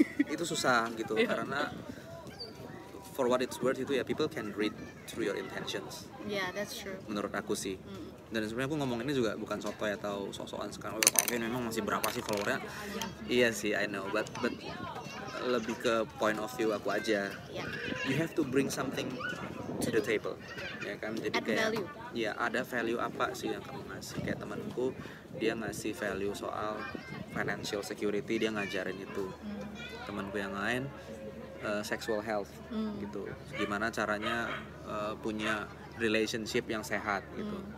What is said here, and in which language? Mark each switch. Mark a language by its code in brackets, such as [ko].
[id] Itu susah gitu karena [en] for what it's worth [id] itu ya, [en] people can read through your intentions. Yeah, that's true. [id] Menurut aku sih. Dan sebenarnya aku ngomong ini juga bukan soto ya atau sok-sokan sekarang. Oh, Calvin memang masih berapa sih followernya? Iya sih, [en] I know. But [id] lebih ke [en] point of view [id] aku aja. [en] Yeah. You have to bring something to the table. [id] Ya kan? Jadi [en] add [id] kayak [en] value. [id] Ya, ada value apa sih yang kamu ngasih? Kayak temanku, dia ngasih value soal financial security, dia ngajarin itu. Temanku yang lain sexual health gitu, gimana caranya punya relationship yang sehat gitu.